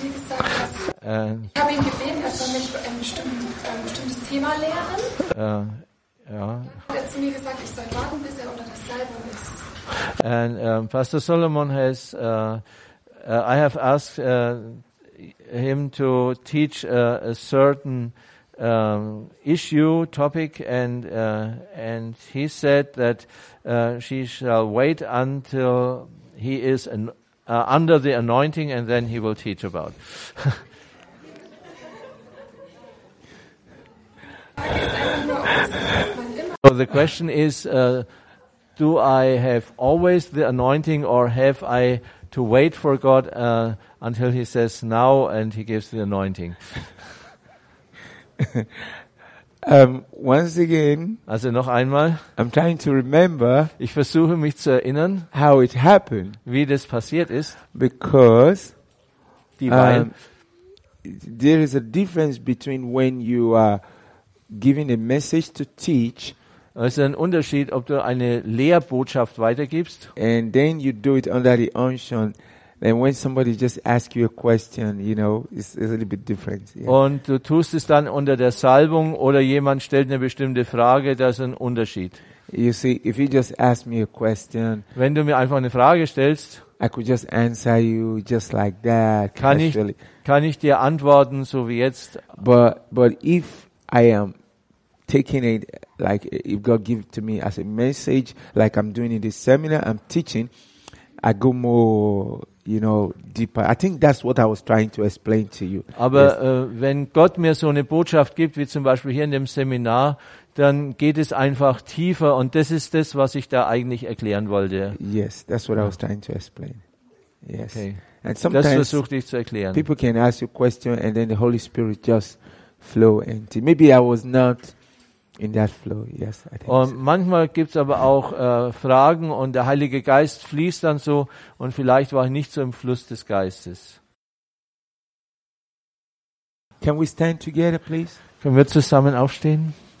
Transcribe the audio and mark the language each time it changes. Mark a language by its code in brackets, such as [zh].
[de] Ich habe ihn gebeten, er soll mich ein bestimmtes Thema lehren. Ja. Er hat zu mir gesagt, ich soll warten, bis er unter der Salbung ist. [en] And Pastor Solomon has, I have asked him to teach a certain issue, topic, and he said that she shall wait until he is under the anointing, and then he will teach about. So the question is, do I have always the anointing or have I to wait for God until he says now and he gives the anointing? Once again, [de] also noch einmal, [en] I'm trying to remember, [de] ich versuche mich zu erinnern, [en] how it happened, [de] wie das passiert ist, [en] because there is a difference between when you are giving a message to teach. [de] Es ist ein Unterschied, ob du eine Lehrbotschaft weitergibst. [en] And then you do it under the unction. Then when somebody just asks you a question, you know, it's a little bit different. Yeah. [de] Und du tust es dann unter der Salbung oder jemand stellt eine bestimmte Frage, das ist ein Unterschied. [en] You see, if you just ask me a question, [de] wenn du mir einfach eine Frage stellst, [en] I could just answer you just like that. [de] Kann ich dir antworten, so wie jetzt? [en] But if I am taking it like if God gives it to me as a message, like I'm doing in this seminar, I'm teaching, I go more, you know, deeper. I think that's what I was trying to explain to you. [de] Aber wenn Gott mir so eine Botschaft gibt, wie zum Beispiel hier in dem Seminar, dann geht es einfach tiefer und das ist das, was ich da eigentlich erklären wollte. [en] Yes, that's what I was trying to explain. Yes. [de] Okay. [en] And sometimes [de] das versuchte ich zu erklären. [en] People can ask you a question and then the Holy Spirit just flow into. Maybe I was not in that flow. Yes, I think. [de] Und manchmal gibt's aber auch Fragen und der Heilige Geist fließt dann so und vielleicht war ich nicht so im Fluss des Geistes. [en] Can we stand together, please? [de] Können wir zusammen aufstehen?